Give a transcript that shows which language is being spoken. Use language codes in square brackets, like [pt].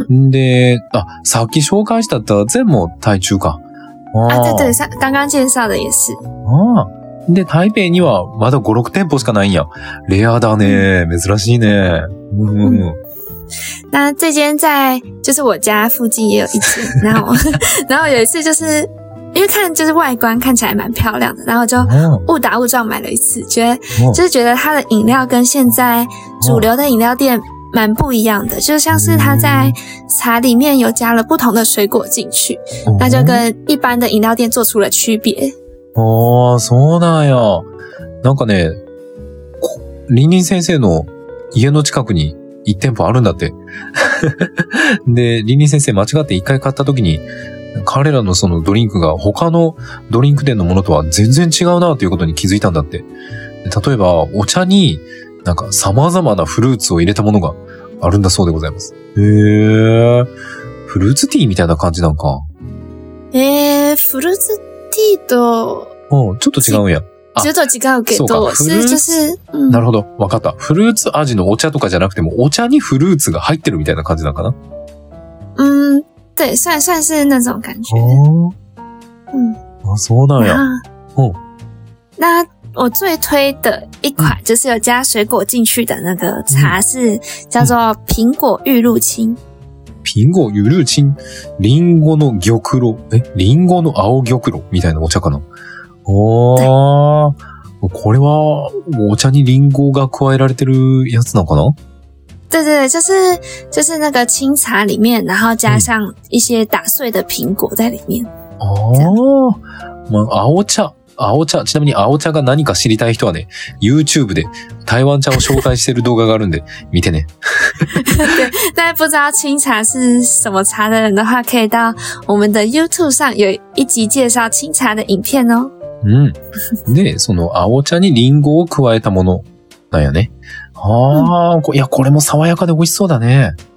[ja] で、あ、さっき紹介した座禅も台中か。 [zh] あ、对对、刚刚介绍的也是。 [ja] ああ。で、台北にはまだ5、6店舗しかないんや。レアだね。珍しいね。 [zh] 那这间在、就是我家附近也有一间。然后有一次就是、因为看就是外观看起来蛮漂亮的，然后就误打误撞买了一次。觉得它的饮料跟现在主流的饮料店蛮不一样的，就像是他在茶里面有加了不同的水果进去，那就跟一般的饮料店做出了区别。 [ja] 哦，そうなんや。なんかね、リンリン先生の家の近くに1店舗あるんだって。で、リンリン先生間違って1回買った時に、彼らのそのドリンクが他のドリンク店のものとは全然違うなということに気づいたんだって。例えばお茶に。なんか、様々なフルーツを入れたものがあるんだそうでございます。へぇー。フルーツティーみたいな感じなんか。フルーツティーと。うん、ちょっと違うんや。ちょっと違うけど、そうか、フルーツ。なるほど。わかった。フルーツ味のお茶とかじゃなくても、お茶にフルーツが入ってるみたいな感じなんかな。 [zh] 对、算是那种感觉。 [ja] あ、そうなんや。うん。 [zh] 那我最推的一款就是有加水果进去的那个茶是叫做苹果玉露青。 [ja] 苹果玉露青，リンゴの玉露，え、リンゴの青玉露みたいなお茶かな。おお、これはお茶にリンゴが加えられてるやつなのかな？ [zh] 对对对，就是那个青茶里面，然后加上一些打碎的苹果在里面。 [ja] おお、まあ、青茶。青茶、ちなみに青茶が何か知りたい人はね、YouTube で台湾茶を紹介してる動画があるんで、見てね。 [zh] 对、不知道青茶是什么茶的人的话、可以到我们的 YouTube 上有一集介绍青茶的影片哦。 [ja] で、その青茶にリンゴを加えたもの、なんやね。ああ、いや、これも爽やかで美味しそうだね。